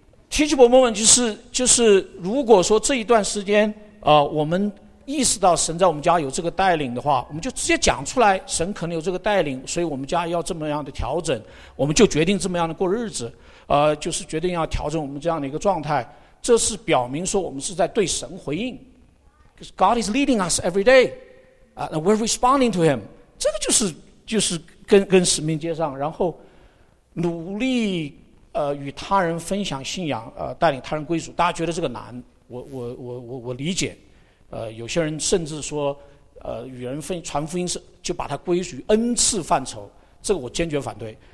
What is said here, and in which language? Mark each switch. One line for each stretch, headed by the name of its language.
Chinese: 提起 moment 就是如果说这一段时间我们意识到神在我们家有这个带领的话，我们就直接讲出来，神可能有这个带领，所以我们家要这么样的调整，我们就决定这么样的过日子，就是决定要调整我们这样的一个状态。这是表明说我们是在对神回应，
English: because God is leading us every day and we're responding to him。
Chinese: 这个就是跟使命接上，然后努力与他人分享信仰，带领他人归主。大家觉得这个难，我理解。有些人甚至说与人传福音是就把它归属于恩赐范畴，这个我坚决反对。